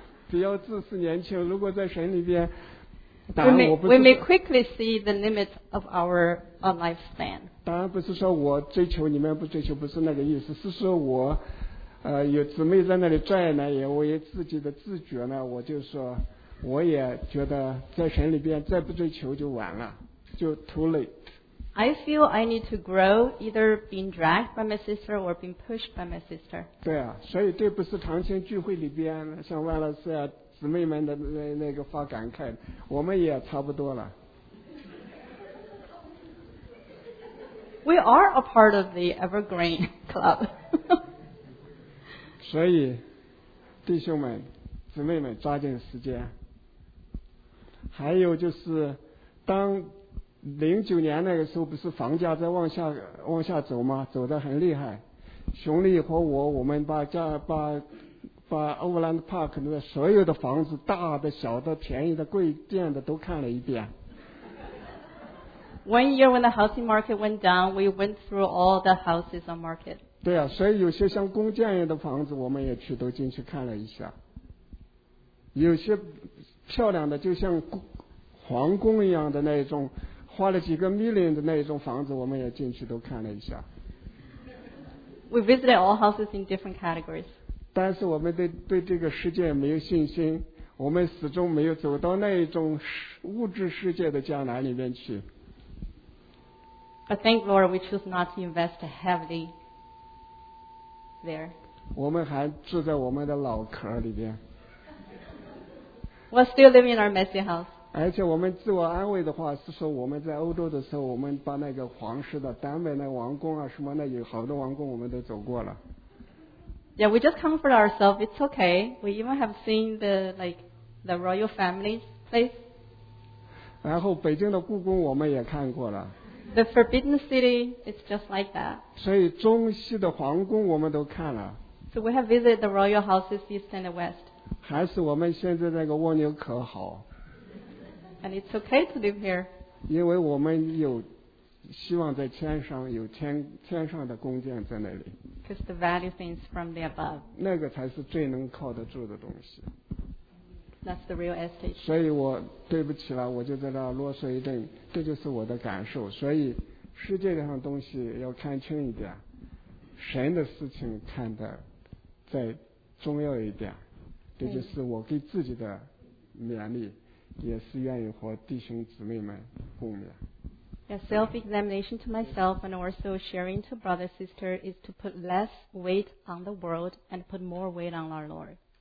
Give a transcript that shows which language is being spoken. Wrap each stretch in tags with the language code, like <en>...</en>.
<zh>只要自私年轻，如果在神里边。</zh> <en>We may quickly see the limits of our lifespan.</en> <zh>当然不是说我追求你们不追求，不是那个意思，是说我，有姊妹在那里拽呢，也我也自己的自觉呢，我就说，我也觉得在神里边再不追求就晚了，就</zh> <en>too late. I feel I need to grow, either being dragged by my sister or being pushed by my sister.</en> <zh>对啊，所以这不是长青聚会里边像万老师啊。姊妹们的那个发感慨，我们也差不多了。</zh> <en>We are a part of the Evergreen Club.</en> <zh>所以，弟兄们、姊妹们，抓紧时间。还有就是，当2009年那个时候，不是房价在往下走吗？走得很厉害。熊丽和我们把 Overland Park 的所有的房子，大的、小的、便宜的、贵贱的，都看了一遍。</zh> <en>1 year when the housing market went down, we went through all the houses on market.</en> <zh>对啊，所以有些像公建业的房子，我们也去都进去看了一下。有些漂亮的，就像皇宫一样的那一种，花了几个 million 的那一种房子，我们也进去都看了一下。</zh> <en>We visited all houses in different categories.</en> <zh>但是我们对这个世界没有信心。我们始终没有走到那一种物质世界的将来里面去。</zh> <en>But thank Lord, we choose not to invest heavily there.</en> <zh>我们还住在我们的老壳里边。</zh> <en>We're still living in our messy house.</en> <zh>而且我们自我安慰的话是说，我们在欧洲的时候，我们把那个皇室的单位、那王宫啊什么的，有好多王宫我们都走过了。</zh> <en>Yeah, we just comfort ourselves. It's okay. We even have seen the royal family's place.</en> <zh>然后北京的故宫我们也看过了。</zh> <en>The Forbidden City, it's just like that.</en> <zh>所以中西的皇宫我们都看了。</zh> <en>So we have visited the royal houses east and west.</en> <zh>还是我们现在那个蜗牛壳好。</zh> <en>And it's okay to live here.</en> <zh>因为我们有希望在天上，有天上的宫殿在那里。</zh> <en>Because the value things from the above.</en> <zh>那个才是最能靠得住的东西。</zh> <en>That's the real estate.</en> <zh>所以我对不起了，我就在那啰嗦一顿，这就是我的感受。所以世界上的东西要看清一点，神的事情看得再重要一点，这就是我给自己的勉励，也是愿意和弟兄姊妹们共勉。</zh> <en>A self-examination to myself and also sharing to brother and sister is to put less weight on the world and put more weight on our Lord.</en>